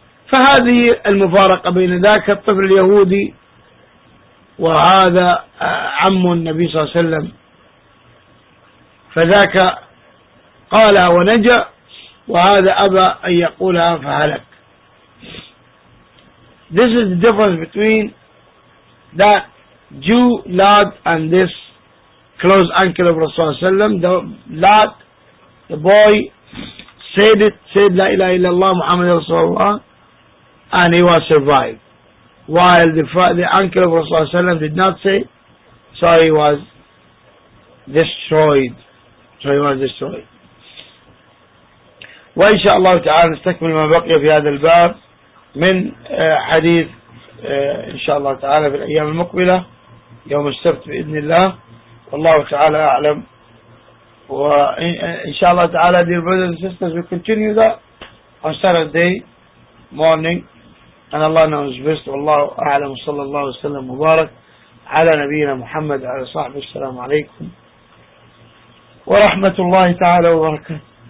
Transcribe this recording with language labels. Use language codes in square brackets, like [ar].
[ar] فهذه المفارقة بين ذاك الطفل اليهودي وهذا عم النبي صلى الله عليه وسلم، فذاك قال ونجا وهذا أبى أن يقولها فهلك. [en] This is the difference between that Jew lad and this close uncle of Rasulullah sallam. The lad, the boy, said la ilaha illallah Muhammad Rasulullah, and he was survived. While the uncle of Rasulullah sallam did not say, so he was destroyed. So he was destroyed. [ar] وإنشاءالله تعالى نستكمل ما بقي في هذا الباب من حديث إن شاء الله تعالى في الأيام المقبلة يوم السبت بإذن الله، والله تعالى أعلم. وإن شاء الله تعالى [en] dear brothers and sisters, we continue that on Saturday morning, and Allah knows best. [ar] والله أعلم، صلى الله وسلم مبارك على نبينا محمد على صحبه، السلام عليكم ورحمة الله تعالى وبركاته.